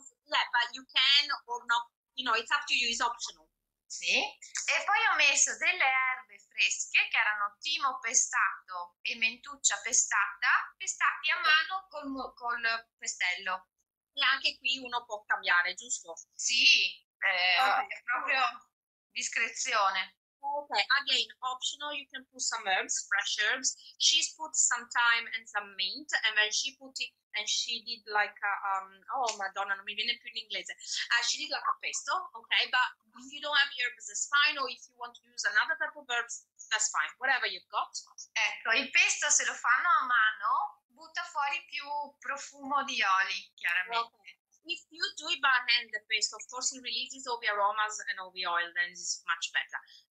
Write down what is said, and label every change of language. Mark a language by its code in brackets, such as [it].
[en] But you can or not, you know, it's up to you, it's optional. [it] Sì. E poi ho messo delle erbe fresche che erano timo pestato e mentuccia pestata, pestati a mano col pestello. E anche qui uno può cambiare, giusto? Sì, è proprio discrezione. [en] Okay, again, optional, you can put some herbs, fresh herbs. She's put some thyme and some mint, and then she put it, and she did like a, [it] oh, Madonna, non mi viene più in inglese. [en] She did like a pesto, okay, but if you don't have herbs, it's fine, or if you want to use another type of herbs, that's fine, whatever you've got. [it] Ecco, il pesto se lo fanno a mano, butta fuori più profumo di oli, chiaramente. [en] Okay. If you do it by hand, the pesto, of course, it releases all the aromas and all the oil, then it's much better.